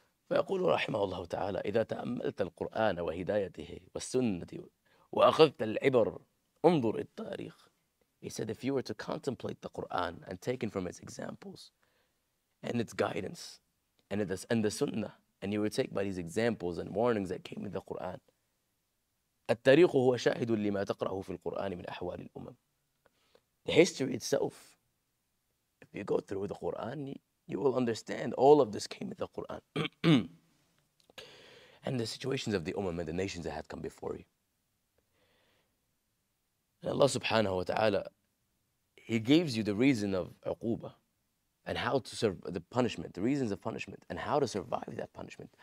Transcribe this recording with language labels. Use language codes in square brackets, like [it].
[ar] فيقول رحمه الله تعالى إذا تأملت القرآن وهدايته والسنة وأخذت العبر انظر التاريخ. [en] He said, if you were to contemplate the Quran and taken from its examples and its guidance and the sunnah, and you will take by these examples and warnings that came in the Quran. [ar] الطريق هو شاهد لما تقرأه في القرآن من أحوال الأمم. [en] The history itself, if you go through the Quran, you will understand all of this came in the Quran. And the situations of the Ummah and the nations that had come before you. And Allah subhanahu wa ta'ala, He gives you the reason of uquba and how to serve the punishment, the reasons of punishment, and how to survive that punishment.